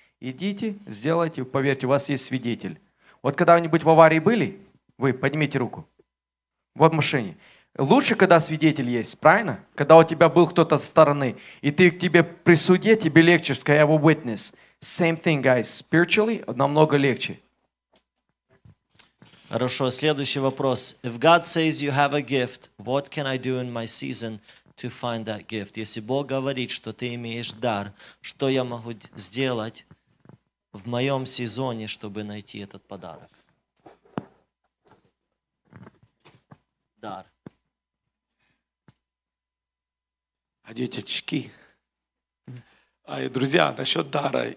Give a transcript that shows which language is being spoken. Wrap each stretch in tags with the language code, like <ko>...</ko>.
<ru>Идите, сделайте, поверьте, у вас есть свидетель. Вот когда-нибудь в аварии были, вы поднимите руку, вот в машине. Лучше, когда свидетель есть, правильно? Когда у тебя был кто-то со стороны, и ты к тебе при суде, тебе легче сказать,</ru> <en>I have a witness. Same thing, guys. Spiritually</en> <ru>намного легче. Хорошо, следующий вопрос.</ru> <en>If God says you have a gift, what can I do in my season to find that gift?</en> <ru>Если Бог говорит, что ты имеешь дар, что я могу сделать в моем сезоне, чтобы найти этот подарок? Дар. Одеть очки. Друзья, насчет дара.</ru>